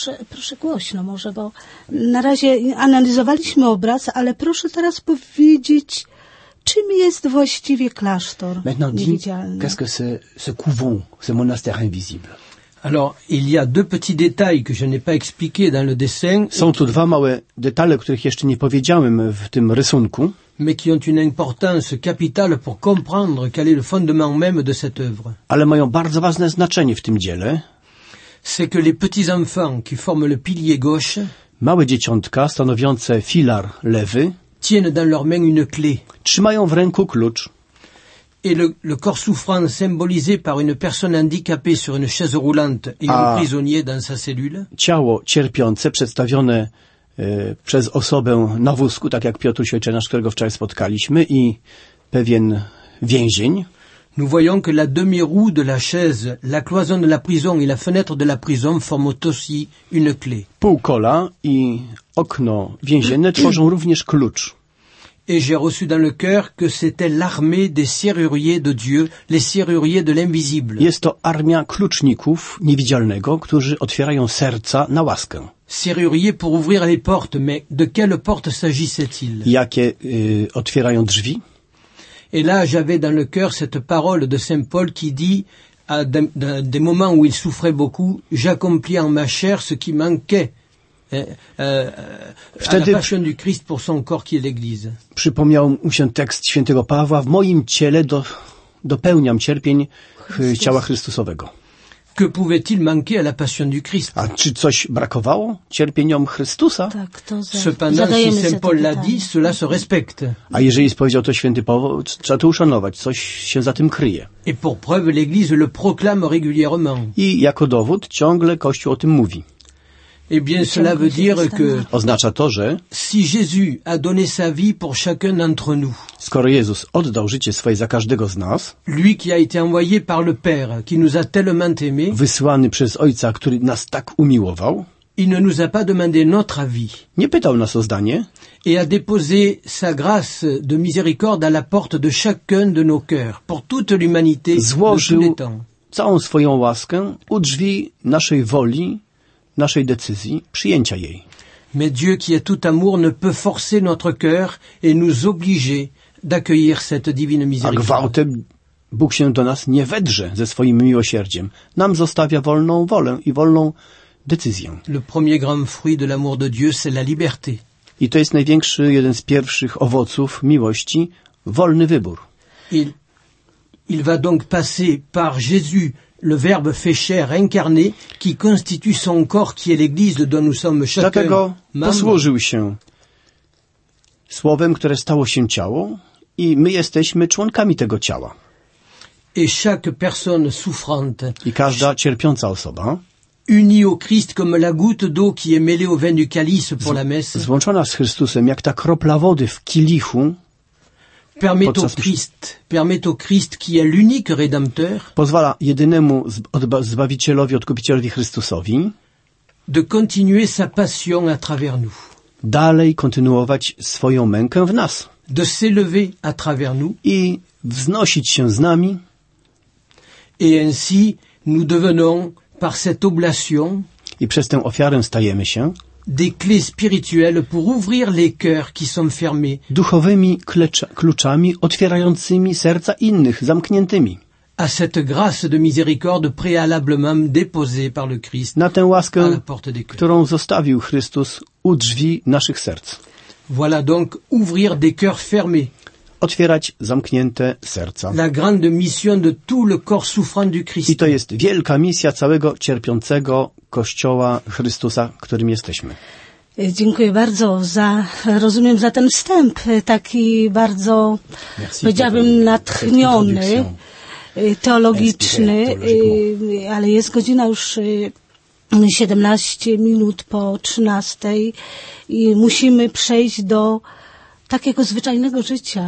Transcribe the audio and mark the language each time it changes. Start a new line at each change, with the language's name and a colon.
Polish: Proszę głośno może, bo na razie analizowaliśmy obraz, ale proszę teraz powiedzieć... Czym jest właściwie klasztor niewidzialny?
French: Qu'est-ce que c'est ce couvent, ce monastère invisible? Alors, il y a deux petits détails que je n'ai pas expliqué dans le dessin.
Polish: Są tu dwa małe detale, których jeszcze nie powiedziałem w tym rysunku.
French: mais qui ont une importance capitale pour comprendre quel est le fondement même de cette œuvre.
Polish: Ale mają bardzo ważne znaczenie w tym dziele.
French: C'est que les petits enfants qui forment le pilier gauche,
Polish: małe dzieciątka stanowiące filar lewy,
French: tiennent dans leur main une clé.
Polish: Trzymają w ręku klucz.
French: Et le corps souffrant symbolisé par une personne handicapée sur une chaise roulante et un prisonnier dans sa cellule.
Polish: Ciało cierpiące przedstawione przez osobę na wózku, tak jak Piotr Ojczenasz, którego wczoraj spotkaliśmy, i pewien więzień.
French: Nous voyons que la demi-roue de la chaise, la cloison de la prison et la fenêtre de la prison forment aussi une clé.
Polish: Półkola i okno więzienne tworzą również klucz.
French: Et j'ai reçu dans le cœur que c'était l'armée des serruriers de Dieu, les serruriers de l'invisible.
Polish: Jest to armia kluczników niewidzialnego, którzy otwierają serca na łaskę.
French: Serruriers pour ouvrir les portes, mais de quelle porte s'agissait-il?
Polish: Jakie otwierają drzwi?
French: Et là, j'avais dans le cœur cette parole de Saint Paul qui dit, à des moments où il souffrait beaucoup, j'accomplis en ma chair ce qui manquait.
Polish: Wtedy
French: à la passion du Christ pour son corps qui est l'Église.
Polish: Przypomniał mu się tekst świętego Pawła: w moim ciele dopełniam cierpień ciała Chrystusowego.
French: Que pouvait-il manquer à la passion du Christ?
Polish: A czy coś brakowało cierpieniom Chrystusa? Tak, to
French: cependant, si Saint Paul l'a dit, cela se respecte.
Polish: A jeżeli powiedział to święty Paweł, trzeba to uszanować, coś się za tym kryje.
French: Et pour preuve, l'Église le proclame régulièrement.
Polish: I jako dowód ciągle Kościół o tym mówi.
French: Eh bien, cela veut dire que
Polish: oznacza to, że
French: si Jésus a donné sa vie pour chacun d'entre nous,
Polish: skoro Jezus oddał życie swoje za każdego z nas,
French: lui qui a été envoyé par le Père, qui nous a tellement aimé,
Polish: wysłany przez Ojca, który nas tak umiłował,
French: il ne nous a pas demandé notre avis,
Polish: nie pytał nas o zdanie,
French: et a déposé sa grâce de miséricorde à la porte de chacun de nos cœurs, pour toute l'humanité,
Polish: złożył
French: de tous les temps.
Polish: Całą swoją łaskę u drzwi naszej woli, naszej decyzji, przyjęcia jej.
French: Mais Dieu qui est tout amour ne peut forcer notre cœur et nous obliger d'accueillir cette divine miséricorde.
Polish: A gwałtem Bóg się do nas nie wedrze ze swoim miłosierdziem. Nam zostawia wolną wolę i wolną decyzję.
French: Le premier grand fruit de l'amour de Dieu, c'est la liberté.
Polish: I to jest największy, jeden z pierwszych owoców miłości, wolny wybór.
French: Il va donc passer par Jésus, le Verbe fait chair incarné, qui constitue son corps, qui est l'Église, dont nous sommes chacun.
Polish: Dlatego posłożył się słowem, które stało się ciało, i my jesteśmy członkami tego ciała.
French: Et chaque personne souffrante.
Polish: I każda cierpiąca osoba.
French: Unie au Christ comme la goutte d'eau qui est mêlée au vin du calice pour la messe.
Polish: Złączona z Chrystusem jak ta kropla wody w kielichu.
French: Permet au Christ qui est l'unique rédempteur.
Polish: Pozwala jedynemu zbawicielowi, odkupicielowi Chrystusowi.
French: De continuer sa passion à travers nous.
Polish: Dalej kontynuować swoją mękę w nas.
French: De s'élever à travers nous.
Polish: I wznosić się z nami.
French: Et ainsi nous devenons par cette oblation.
Polish: I przez tę ofiarę stajemy się.
French: Des clés spirituelles pour ouvrir les cœurs qui sont fermés.
Polish: Duchowymi kluczami otwierającymi serca innych, zamkniętymi.
French: À cette grâce de miséricorde préalablement déposée par le Christ.
Polish: Na tę łaskę, którą zostawił Chrystus u drzwi naszych serc.
French: Voilà donc ouvrir des cœurs fermés.
Polish: Otwierać zamknięte serca.
French: La grande mission de tout le corps souffrant du Christ.
Polish: I to jest wielka misja całego cierpiącego Kościoła Chrystusa, którym jesteśmy. Dziękuję bardzo za ten wstęp, taki bardzo,
French: merci,
Polish: powiedziałabym, natchniony, teologiczny, ale jest godzina już 17 minut po 13 i musimy przejść do takiego zwyczajnego życia.